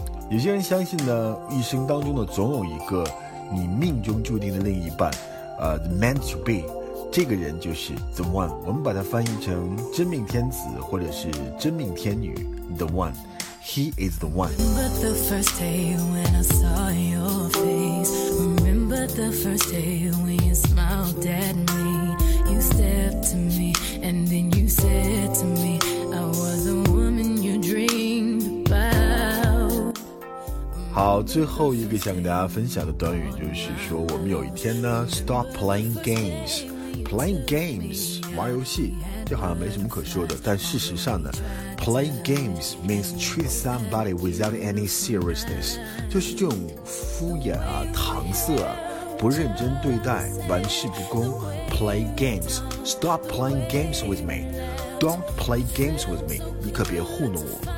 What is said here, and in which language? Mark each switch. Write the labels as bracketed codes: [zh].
[zh] 有些人相信呢，一生当中的总有一个你命中注定的另一半， [en] The meant to be， [zh] 这个人就是 The one， 我们把它翻译成真命天子或者是真命天女， The one， [en] He is the one。 But the first day when I saw your face，But the first day when you smiled at me, you stepped to me, and then you said to me, I was a woman you dreamed about. [zh] 好，最后一个想跟大家分享的短语就是说，我们有一天呢 ， [en] stop playing games, playing games, [zh] 玩游戏，这好像没什么可说的，但事实上呢。 [en] Play games means treat somebody without any seriousness， [zh] 就是这种敷衍啊、搪塞啊、不认真对待、玩世不恭。 [en] Play games， stop playing games with me， don't play games with me， [zh] 你可别糊弄我。